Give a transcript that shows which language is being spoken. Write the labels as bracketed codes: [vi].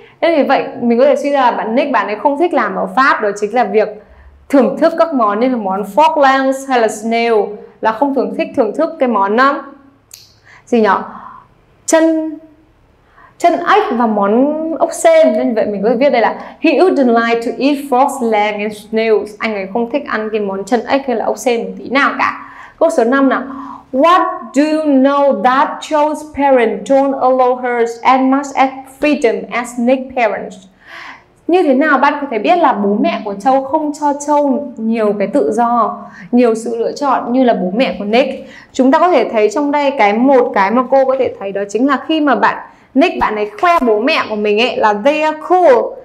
[vi] Thế thì vậy mình có thể suy ra là bạn Nick, bạn ấy không thích làm ở Pháp, đó chính là việc thưởng thức các món như là món fox lang hay là snail, là không thưởng thích thưởng thức cái món năm gì nhỉ, chân ếch và món ốc sên. Nên vậy mình có thể viết đây là [en] he wouldn't like to eat fox lang and snails. [vi] Anh ấy không thích ăn cái món chân ếch hay là ốc sên một tí nào cả. Câu số 5 nào. [en] What do you know that Cho's parents don't allow her as much as freedom as Nick's parents? [vi] Như thế nào bạn có thể biết là bố mẹ của Châu không cho Châu nhiều cái tự do, nhiều sự lựa chọn như là bố mẹ của Nick? Chúng ta có thể thấy trong đây cái một cái mà cô có thể thấy, đó chính là khi mà bạn Nick, bạn ấy khoe bố mẹ của mình ấy là [en] they are cool.